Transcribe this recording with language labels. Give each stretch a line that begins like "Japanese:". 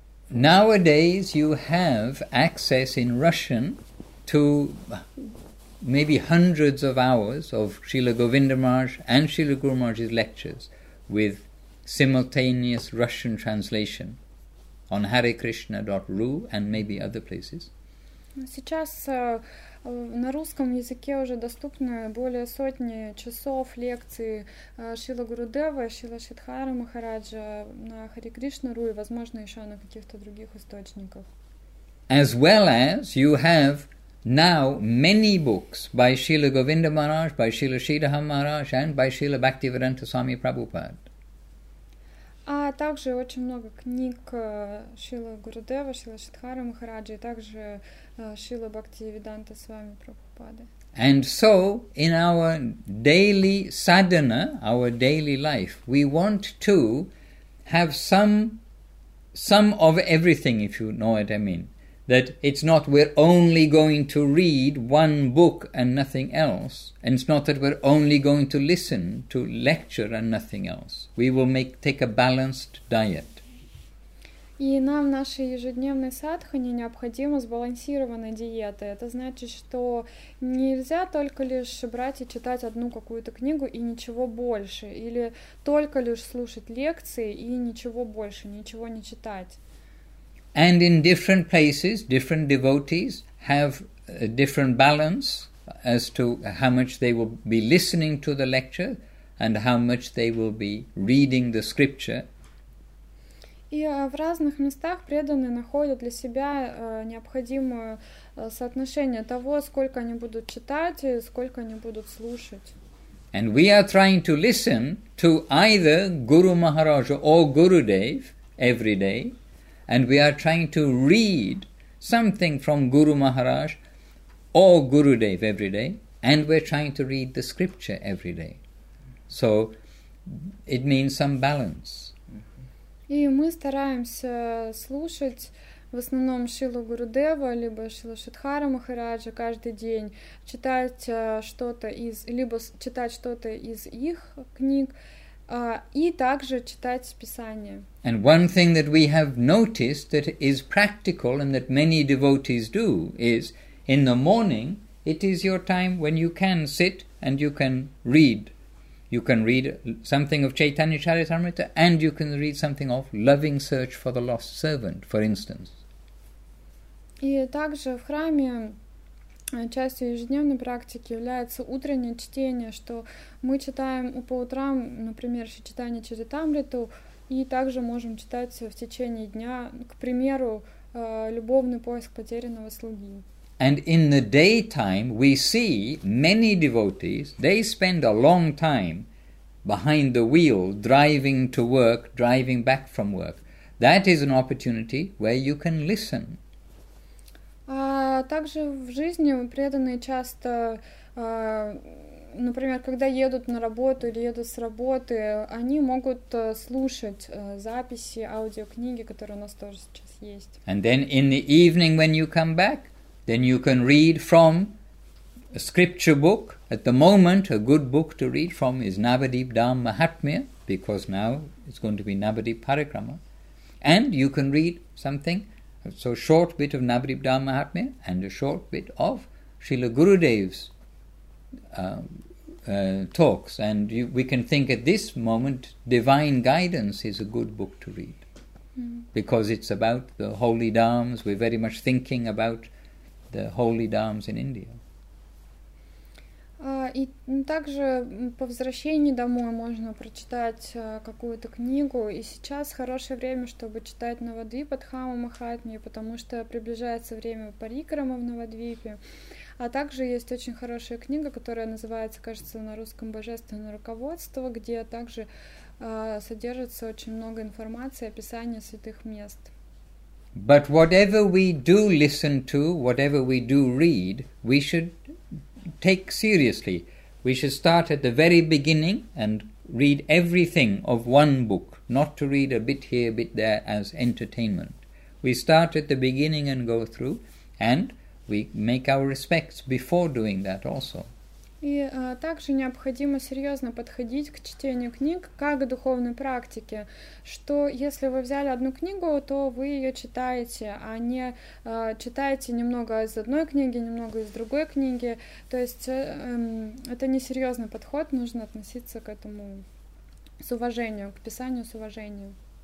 English: Nowadays, you have access in Russian to maybe hundreds of hours of Srila Govindamarg and Srila Guru Maharaj's lectures with simultaneous Russian translation on HareKrishna.ru and maybe other places.
Russian: Сейчас на русском языке уже доступны более сотни часов лекций Шрилы Гурудевы, Шрилы Шридхары Махараджа на HareKrishna.ru и, возможно, еще на каких-то других источниках.
English: As well as you have now many books by Srila Govinda Maharaj, by Srila Sridhara Maharaj, and by Srila Bhaktivedanta Swami Prabhupada.
Russian: А также очень много книг Шрилы Гурудевы, Шрилы Шридхары Махараджи, и также Шрилы Бхактивиданта Свами Прабхупады.
English: And so, in our daily sadhana, our daily life, we want to have some of everything, if you know what I mean. That it's not we're only going to read one book and nothing else, and it's not that we're only going to listen to lecture and nothing else. We will take a balanced diet.
Russian: И нам в нашей ежедневной садхане необходима сбалансированная диета. Это значит, что нельзя только лишь брать и читать одну какую-то книгу и ничего больше, или только лишь слушать лекции и ничего больше, ничего не читать.
English: And in different places, different devotees have a different balance as to how much they will be listening to the lecture and how much they will be reading the scripture.
Russian: И в разных местах преданные находят для себя необходимое соотношение того, сколько они будут читать и сколько они будут слушать.
English: And we are trying to listen to either Guru Maharaj or Gurudev every day. And we are trying to read something from Guru Maharaj or Gurudev every day. And we're trying to read the scripture every day. So it means some balance.
Russian: И мы стараемся слушать в основном Шилу Гурудева либо Шилу Шидхара Махараджа каждый день, читать что-то из их книг, и также читать Писание.
English: And one thing that we have noticed that is practical and that many devotees do is in the morning it is your time when you can sit and you can read. You can read something of Chaitanya Charitamrita and you can read something of Loving Search for the Lost Servant, for instance.
Russian: И также в храме частью ежедневной практики является утреннее чтение, что мы читаем по утрам, например, Чайтанья Чаритамриту, и также можем читать в течение дня, к примеру, любовный поиск потерянного слуги.
English: And in the daytime, we see many devotees, they spend a long time behind the wheel, driving to work, driving back from work. That is an opportunity where you can listen.
Russian: А также в жизни преданные часто, например, когда едут на работу или едут с работы, они могут слушать записи, аудиокниги, которые у нас тоже сейчас есть.
English: And then in the evening when you come back, then you can read from a scripture book. At the moment, a good book to read from is Navadip Dham Mahatmya, because now it's going to be Navadip Parikrama. And you can read something, so a short bit of Navadip Dham Mahatmya and a short bit of Srila Gurudev's talks. And we can think at this moment, Divine Guidance is a good book to read. Because it's about the holy dharmas. We're very much thinking about the holy dharmas in India.
Russian: И также по возвращении домой можно прочитать какую-то книгу. И сейчас хорошее время, чтобы читать Навадвипа-дхаму Махатмью, потому что приближается время парикрама в Навадвипе. А также есть очень хорошая книга, которая называется, кажется, на русском «Божественное руководство», где также содержится очень много информации, описания святых мест.
English: But whatever we do listen to, whatever we do read, we should take seriously. We should start at the very beginning and read everything of one book, not to read a bit here, a bit there as entertainment. We start at the beginning and go through, and we make our respects before doing that also.
Russian: И также необходимо серьезно подходить к чтению книг как к духовной практике, что если вы взяли одну книгу, то вы ее читаете, а не читаете немного из одной книги, немного из другой книги. То есть это не серьезный подход, нужно относиться к этому с уважением, к писанию с уважением.